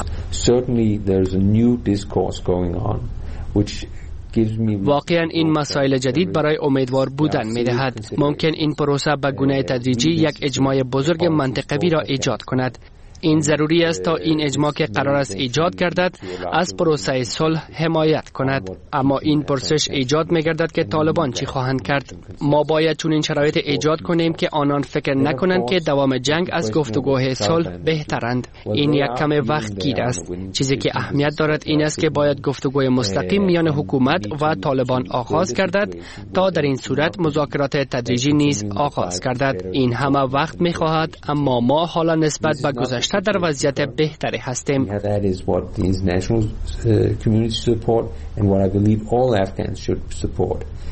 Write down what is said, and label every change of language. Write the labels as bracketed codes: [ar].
[en] Certainly there is a new discourse going on which gives me [fa] واقعا این مسائل جدید برای امیدوار بودن میدهد. ممکن این پروسه به گونه تدریجی یک اجماع بزرگ منطقوی را ایجاد کند. این ضروری است تا این اجماع که قرار است ایجاد گردد از پروسه صلح حمایت کند. اما این پرسش ایجاد می‌گردد که طالبان چی خواهند کرد. ما باید چنین شرایط ایجاد کنیم که آنان فکر نکنند که دوام جنگ از گفتگوهای صلح بهترند. این یک کم وقت گیر است. چیزی که اهمیت دارد این است که باید گفتگوی مستقیم میان حکومت و طالبان آغاز گردد تا در این صورت مذاکرات تدریجی نیز آغاز گردد. این همه وقت می‌خواهد، اما ما حالا نسبت به گذشته تا در وضعیت بهتری هستیم. [en] That is what the international community support and what I believe all Afghans should support.